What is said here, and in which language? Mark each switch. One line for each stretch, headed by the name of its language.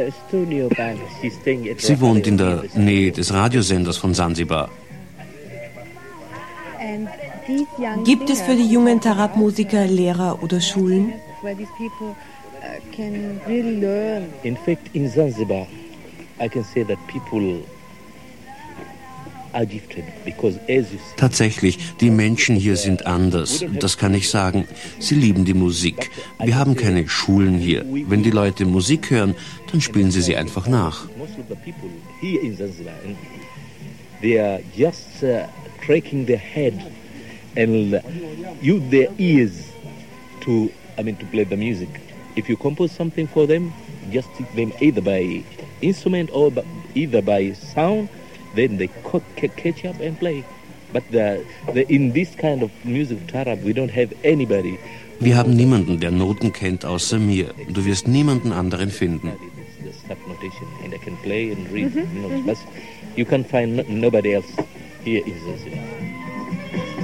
German: Sie wohnt in der Nähe des Radiosenders von Zanzibar. Gibt es für die jungen Tarab-Musiker Lehrer oder Schulen?
English: Can really learn. In fact, in Zanzibar, I can say that people are gifted because, as you see,
German: tatsächlich, die Menschen hier sind anders. Das kann ich sagen. Sie lieben die Musik. Wir haben keine Schulen hier. Wenn die Leute Musik hören, dann spielen sie sie einfach nach.
English: Most of the people here in Zanzibar, they are just cracking their head and use their ears to play the music. If you compose something for them, just teach them either by instrument or either by sound, then they catch up and play. But in this kind of music tarab, we don't have anybody.
German: Wir haben niemanden, der Noten kennt, außer mir. Du wirst niemanden anderen finden.
English: Subnotation, and I can play and read notes, but you can find nobody else here in Zanzibar.